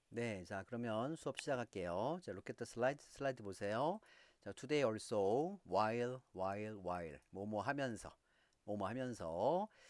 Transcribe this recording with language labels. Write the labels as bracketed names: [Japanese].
[Korean] 네, 자, 그러면 수업 시작할게요. 자, [English] look at the slide [Korean] 보세요. 자, [English] today also, while, [Korean] 뭐뭐 하면서, 뭐뭐 하면서.